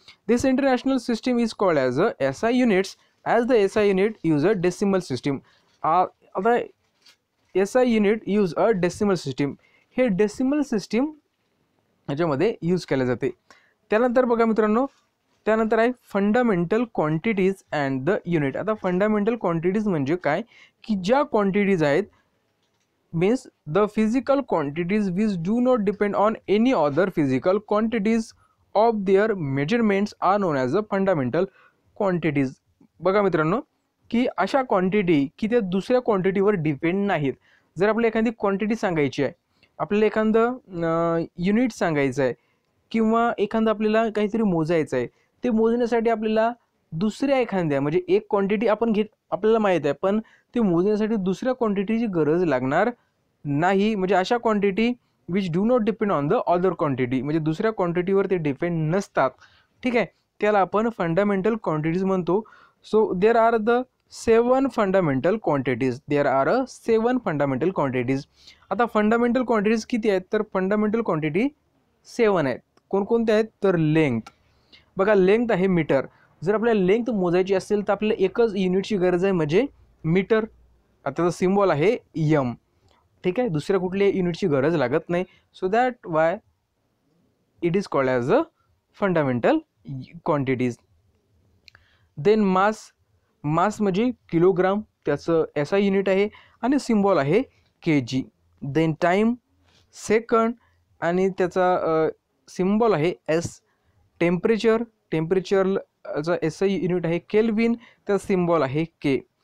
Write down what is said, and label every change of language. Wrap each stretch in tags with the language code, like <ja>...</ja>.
<en>This international system is called as a SI units, as the SI unit use a decimal system.</en> <mr>आता</mr> <en>SI unit use a decimal system,</en> <mr>हे decimal system ह्याच्यामध्ये use केले जाते. त्यानंतर बघा मित्रांनो, त्यानंतर आहे</mr> <en>Fundamental quantities and the unit.</en> <mr>आता फंडामेंटल क्वांटिटीज म्हणजे काय, की ज्या क्वांटिटीज आहेत,</mr> <en>Means the physical quantities which do not depend on any other physical quantities of their measurements are known as a fundamental quantities.</en> <mr>बघा मित्रांनो, की अशा क्वांटिटी की त्या दुसऱ्या क्वांटिटीवर डिपेंड नाहीत. जर आपल्याला एखादी क्वांटिटी सांगायची आहे, आपल्याला एखादं युनिट सांगायचं आहे, किंवा एखादं आपल्याला काहीतरी मोजायचं आहे, ते मोजण्यासाठी आपल्याला दुसऱ्या एखाद्या, म्हणजे एक क्वांटिटी आपण घेत आपल्याला माहीत आहे, पण ते मोजण्यासाठी दुसऱ्या क्वांटिटीची गरज लागणार नाही. म्हणजे अशा quantity</mr> <en>which do not depend on the other quantity,</en> <mr>म्हणजे दुसऱ्या क्वांटिटीवर ते डिपेंड नसतात, ठीक आहे, त्याला आपण फंडामेंटल क्वांटिटीज म्हणतो.</mr> <en>So there are the 7 fundamental quantities, there are a 7 fundamental quantities.</en> <mr>आता फंडामेंटल क्वांटिटीज किती आहेत, तर फंडामेंटल क्वांटिटी 7 आहेत. कोणकोणत्या आहेत, तर लेंथ, बघा लेंथ आहे मीटर. जर आपल्याला लेंथ मोजायची असेल तर आपल्याला एकच युनिटची गरज आहे, म्हणजे मीटर. आता त्याचं सिम्बॉल आहे M, ठीक आहे, दुसऱ्या कुठल्याही युनिटची गरज लागत नाही.</mr> <en>So that why it is called as a fundamental quantities.</en> <mr>Then mass, मास म्हणजे किलोग्राम, त्याचं SI युनिट आहे आणि सिम्बॉल आहे KG. देन टाईम, सेकंड, आणि त्याचा सिम्बॉल आहे S. टेम्परेचर, टेम्परेचरचं SI युनिट आहे केल्विन, त्याचा सिम्बॉल आहे K.</mr>